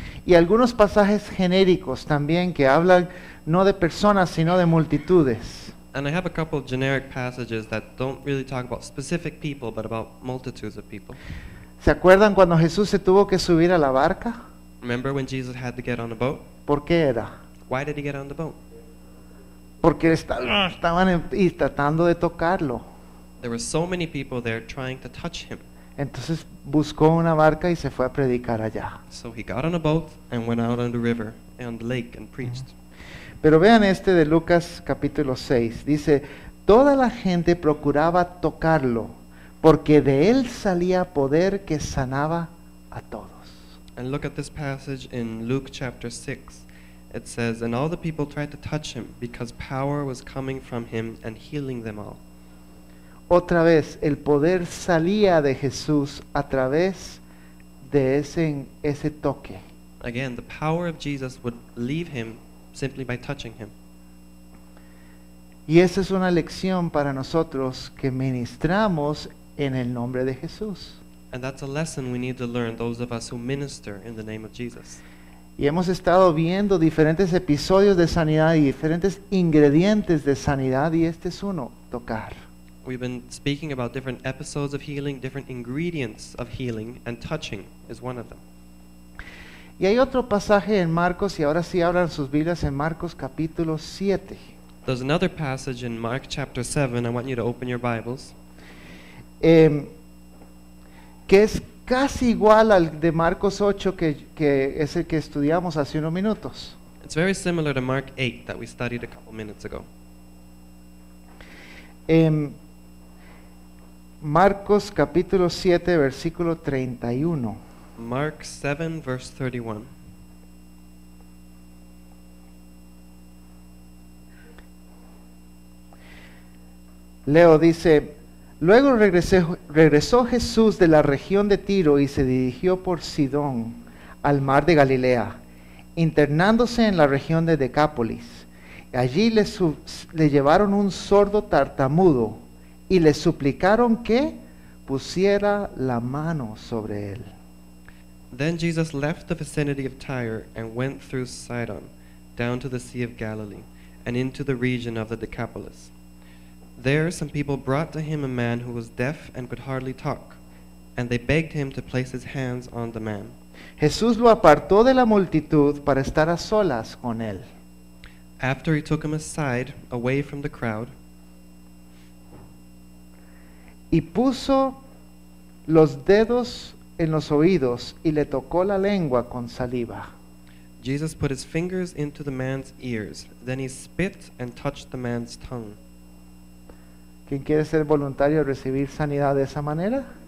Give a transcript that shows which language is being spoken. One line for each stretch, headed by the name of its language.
Spanish: Y algunos pasajes genéricos también que hablan no de personas sino de multitudes.
English: And I have a couple of generic passages that don't really talk about specific people but about multitudes of people.
Spanish: ¿Se acuerdan cuando Jesús se tuvo que subir a la barca?
English: Remember when Jesus had to get on the boat?
Spanish: ¿Por qué era?
English: Why did he get on the boat?
Spanish: Porque estaban y tratando de tocarlo.
English: There were so many people there trying to touch him.
Spanish: Entonces buscó una barca y se fue a predicar allá.
English: So he got on a boat and went out on the river and on the lake and preached.
Spanish: Pero vean este de Lucas capítulo 6. Dice, toda la gente procuraba tocarlo porque de él salía poder que sanaba a todos.
English: And look at this passage in Luke chapter 6. It says, and all the people tried to touch him because power was coming from him and healing them all.
Spanish: Otra vez, el poder salía de Jesús a través de ese toque.
English: Again, the power of Jesus would leave him simply by touching him.
Spanish: Y esa es una lección para nosotros que ministramos en el nombre de Jesús.
English: And that's a lesson we need to learn, those of us who minister in the name of Jesus.
Spanish: Y hemos estado viendo diferentes episodios de sanidad y diferentes ingredientes de sanidad, y este es uno, tocar.
English: We've been speaking about different episodes of healing, different ingredients of healing, and touching is one of them.
Spanish: Y hay otro pasaje en Marcos, y ahora sí abran sus Biblias en Marcos capítulo 7.
English: There's another passage in Mark chapter 7. I want you to open your Bibles.
Spanish: Que es casi igual al de Marcos 8, que es el que estudiamos hace unos minutos.
English: It's very similar to Mark 8 that we studied a couple minutes ago.
Spanish: Marcos capítulo 7 versículo 31.
English: Mark 7 verse 31.
Spanish: Leo dice, luego regresó Jesús de la región de Tiro y se dirigió por Sidón al mar de Galilea, internándose en la región de Decápolis. Allí le llevaron un sordo tartamudo y le suplicaron que pusiera la mano sobre él.
English: Then Jesus left the vicinity of Tyre and went through Sidon, down to the Sea of Galilee, and into the region of the Decapolis. There some people brought to him a man who was deaf and could hardly talk, and they begged him to place his hands on the man.
Spanish: Jesús lo apartó de la multitud para estar a solas con él.
English: After he took him aside, away from the crowd,
Spanish: y puso los dedos en los oídos y le tocó la lengua con saliva.
English: Jesus put his fingers into the man's ears. Then he spit and touched the man's tongue.
Spanish: ¿Quién quiere ser voluntario a recibir sanidad de esa manera?